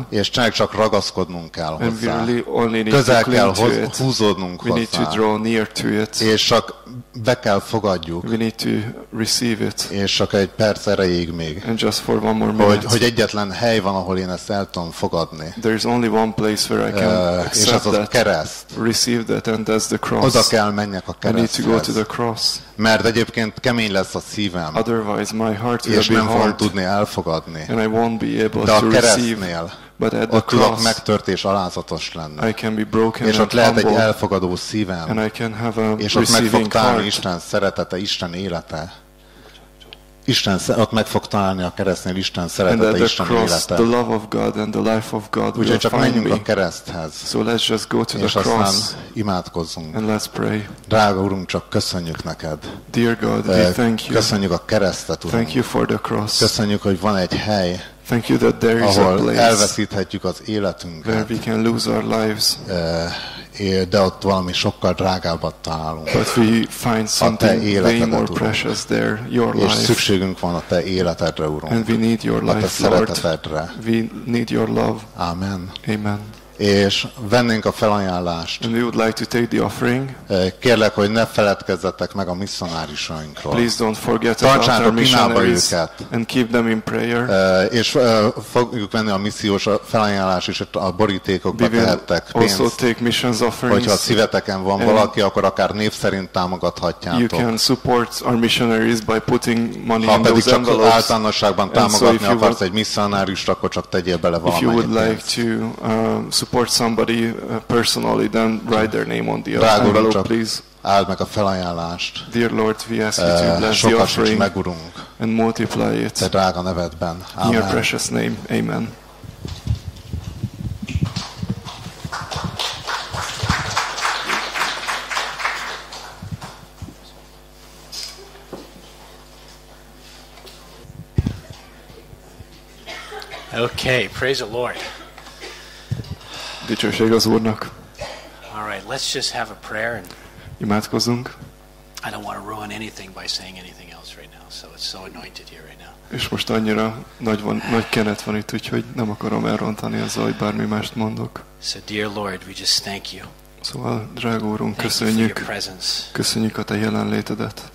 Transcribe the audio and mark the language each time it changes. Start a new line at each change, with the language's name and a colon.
Hungarian: és csak ragaszkodnunk kell hozzá,
English: and we really only need
Hungarian: közel
English: to
Hungarian: kell
English: cling to it.
Hungarian: Húzódnunk
English: we need
Hungarian: hozzá,
English: to draw near to it.
Hungarian: És csak be kell fogadjuk,
English: we need to receive it.
Hungarian: És csak egy perc erejéig még,
English: and just for one more minute.
Hungarian: Hogy egyetlen hely van, ahol én ezt el tudom fogadni,
English: there is only one place where I can accept
Hungarian: és az a kereszt,
English: receive that, and that's the cross.
Hungarian: Kell menjek a kereszthez, mert egyébként kemény lesz a szívem,
English: otherwise my heart will
Hungarian: és nem
English: be hard,
Hungarian: fogom tudni elfogadni.
English: And I won't be able
Hungarian: de a
English: to
Hungarian: keresztnél
English: but at the
Hungarian: ott
English: cross,
Hungarian: tudok megtört és alázatos lenni.
English: I can be broken
Hungarian: és ott lehet
English: humble,
Hungarian: egy elfogadó szívem,
English: and I can have a
Hungarian: és ott meg fog tárni Isten szeretete, Isten élete. Isten, ott meg fog találni a keresztnél Isten szeretete,
English: and
Hungarian: Isten élete.
English: The love of God and the life of God.
Hungarian: Úgyhogy csak menjünk
English: me.
Hungarian: A kereszthez.
English: So let's just go to
Hungarian: és
English: the cross.
Hungarian: Aztán imádkozzunk.
English: And let's pray.
Hungarian: Drága Urunk, csak köszönjük neked.
English: Dear God, we thank you.
Hungarian: Köszönjük a keresztet, Urunk.
English: Thank you for the cross.
Hungarian: Köszönjük, hogy van egy hely.
English: Thank you that there is a place.
Hungarian: Elveszíthetjük az életünket.
English: Where we can lose our lives.
Hungarian: De ott valami sokkal drágábbat találunk.
English: But we find something way more precious there, your life.
Hungarian: És szükségünk van a te életedre, Urunk.
English: And we need your life, Lord.
Hungarian: A te szeretetedre.
English: We need your love.
Hungarian: Amen.
English: Amen.
Hungarian: És vennénk a felajánlást.
English: And we would like to take the offering.
Hungarian: Kérlek, hogy ne feledkezzetek meg a misszionárisainkról.
English: Please don't forget about our missionaries. And keep them in prayer.
Hungarian: És fogjuk venni a missziós felajánlást is, a borítékokba tehettek pénzt.
English: Also take missions offerings.
Hungarian: Hogyha a szíveteken van valaki, akkor akár név szerint támogathatjátok.
English: You can support our missionaries by putting money
Hungarian: ha
English: in those envelopes.
Hungarian: Ha pedig csak általánosságban támogatni so akarsz egy misszionárist, akkor csak tegyél bele valamennyi pénzt.
English: If you would like to support somebody personally, then write their name on the envelope, please.
Hungarian: Áld meg a felajánlást.
English: Dear Lord, we ask you to bless the offering
Hungarian: meg, Urunk,
English: and multiply it.
Hungarian: Te drága nevedben.
English: In your precious name. Amen. Okay, praise the Lord.
Hungarian: Dicsőség az Úrnak.
English: All right, let's just have a prayer and
Hungarian: imádkozzunk.
English: I don't want to ruin anything by saying anything else right now, so it's so anointed here right now.
Hungarian: És most annyira nagy van, nagy kenet van itt, úgyhogy nem akarom elrontani az, hogy bármi mást mondok.
English: So dear Lord, we just thank you.
Hungarian: Szóval, drága Úrunk, köszönjük. Köszönjük a te jelenlétedet.